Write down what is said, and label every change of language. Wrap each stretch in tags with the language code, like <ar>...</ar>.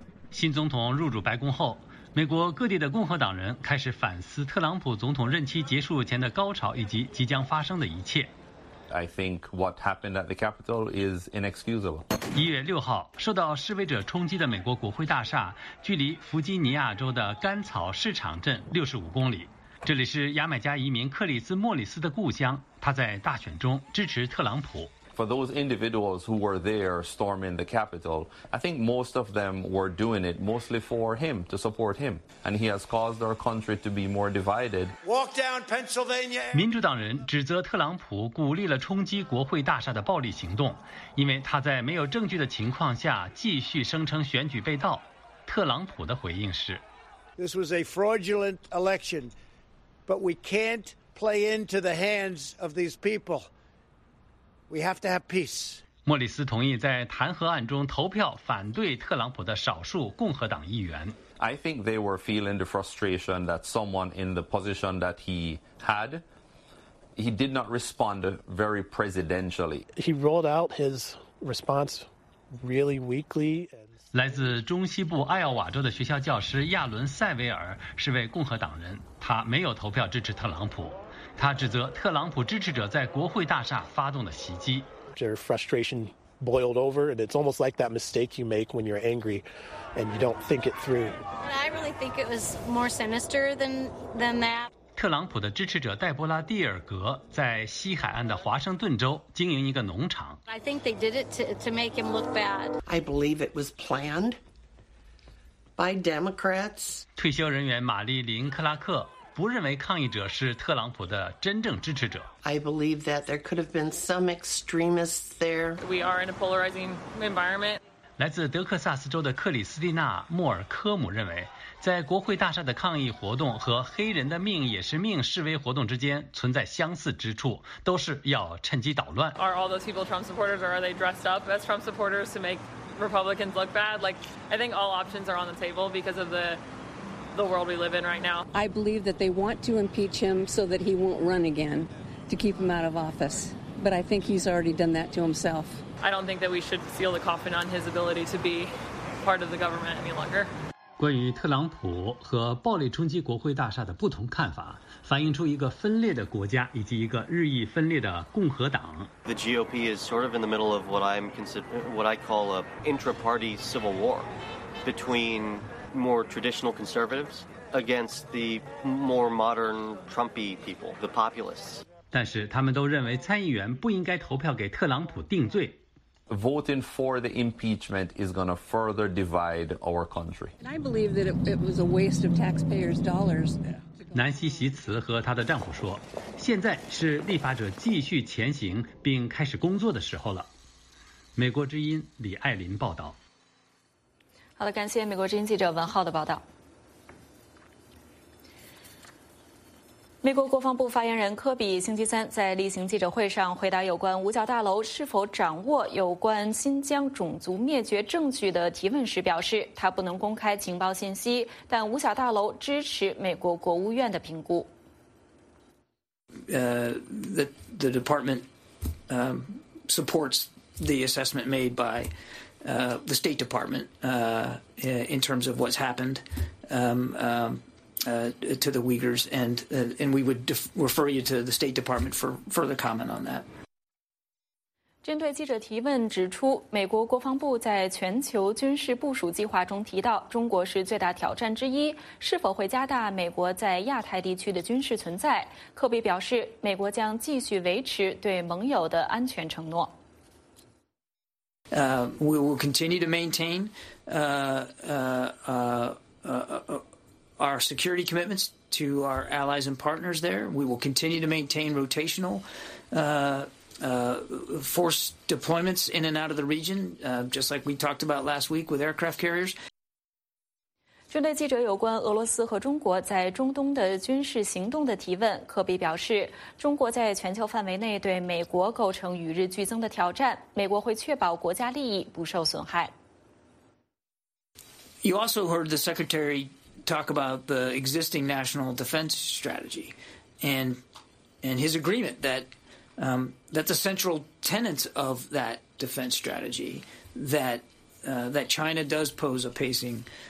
<zh>新总统入主白宫后，美国各地的共和党人开始反思特朗普总统任期结束前的高潮以及即将发生的一切。</zh> <en>I think what happened at the Capitol is inexcusable.</en> <zh>1月6号，受到示威者冲击的美国国会大厦，距离弗吉尼亚州的甘草市场镇65公里。这里是牙买加移民克里斯·莫里斯的故乡，他在大选中支持特朗普。</zh> <en>For those individuals who were there storming the Capitol, I think most of them were doing it mostly for him, to support him. And he has caused our country to be more divided. Walk down Pennsylvania.</en> <zh>民主党人指责特朗普鼓励了冲击国会大厦的暴力行动，因为他在没有证据的情况下继续声称选举被盗。特朗普的回应是</zh> <en>This was a fraudulent election, but we can't play into the hands of these people.We have to have peace.</en> <zh>莫里斯同意在弹劾案中投票反对特朗普的少数共和党议员。</zh> <en>I think they were feeling the frustration that someone in the position that he had, he did not respond very presidentially. He rolled out his response really weakly.</en> <zh>来自中西部爱奥瓦州的学校教师亚伦·塞维尔是位共和党人，他没有投票支持特朗普。他指责特朗普支持者在国会大厦发动的袭击。</zh> <en>Their frustration boiled over, and it's almost like that mistake you make when you're angry and you don't think it through. I really think it was more sinister than that.</en> <zh>特朗普的支持者戴波拉·蒂尔格在西海岸的华盛顿州经营一个农场。</zh> <en>I think they did it to make him look bad. I believe it was planned by Democrats.</en> <zh>退休人员玛丽琳·克拉克不认为抗议者是特朗普的真正支持者。</zh> <en>I believe that there could have been some extremists there. We are in a polarizing environment.</en> <zh>来自德克萨斯州的克里斯蒂娜·莫尔科姆认为，在国会大厦的抗议活动和黑人的命也是命示威活动之间存在相似之处，都是要趁机捣乱。</zh> <en>Are all those people Trump supporters, or are they dressed up as Trump supporters to make Republicans look bad? Like, I think all options are on the table because of the world we live in right now. I believe that they want to impeach him so that he won't run again, to keep him out of office. But I think he's already done that to himself. I don't think that we should seal the coffin on his ability to be part of the government any longer.</en> <zh>关于特朗普和暴力冲击国会大厦的不同看法，反映出一个分裂的国家以及一个日益分裂的共和党。</zh> <en>The GOP is sort of in the middle of what I call a intra-party civil war between. More traditional conservatives against the more modern Trumpy people, the populists.</en> <zh>但是他们都认为参议员不应该投票给特朗普定罪。</zh> <en>Voting for the impeachment is going to further divide our country. And I believe that it was a waste of taxpayers' dollars.</en> <zh>南希·席茨和她的丈夫说，现在是立法者继续前行并开始工作的时候了。美国之音李爱琳报道。好的，感谢美国之音记者文浩的报道。美国国防部发言人科比星期三在例行记者会上回答有关五角大楼是否掌握有关新疆种族灭绝证据的提问时表示，他不能公开情报信息，但五角大楼支持美国国务院的评估。</zh> <en>The department supports the assessment made by. The State Department, in terms of what's happened to the Uyghurs, and we would refer you to the State Department for further comment on that.</en> <zh>针对记者提问指出，美国国防部在全球军事部署计划中提到，中国是最大挑战之一，是否会加大美国在亚太地区的军事存在？科比表示，美国将继续维持对盟友的安全承诺。</zh> <en>We will continue to maintain our security commitments to our allies and partners there. We will continue to maintain rotational force deployments in and out of the region, just like we talked about last week with aircraft carriers.</en> <zh>针对记者有关俄罗斯和中国在中东的军事行动的提问，科比表示，中国在全球范围内对美国构成与日俱增的挑战，美国会确保国家利益不受损害。</zh> <en>You also heard the secretary talk about the existing national defense strategy and his agreement that, that the central tenets of that defense strategy, that China does pose a pacing.</en>